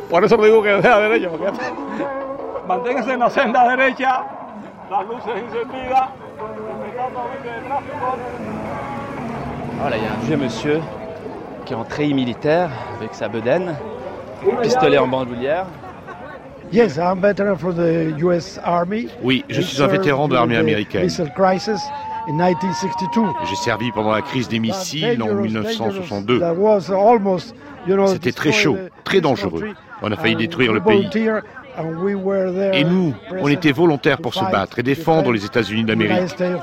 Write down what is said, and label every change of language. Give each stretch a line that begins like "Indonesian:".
Spanish: Por eso digo que sea derecha. Manténgase en la senda derecha, las luces encendidas, respetando la luz de tráfico.
French: Voilà, il y a un vieux monsieur qui est en treillis militaire avec sa bedaine, pistolet en bandoulière.
English: Yes, I'm a veteran from the US Army.
French: Oui, je suis un vétéran de l'armée américaine.
English: Missile crisis in 1962.
French: J'ai servi pendant la crise des missiles en 1962. C'était très chaud, très dangereux. On a failli détruire le pays. Et nous, on était volontaires pour se battre et défendre les États-Unis d'Amérique.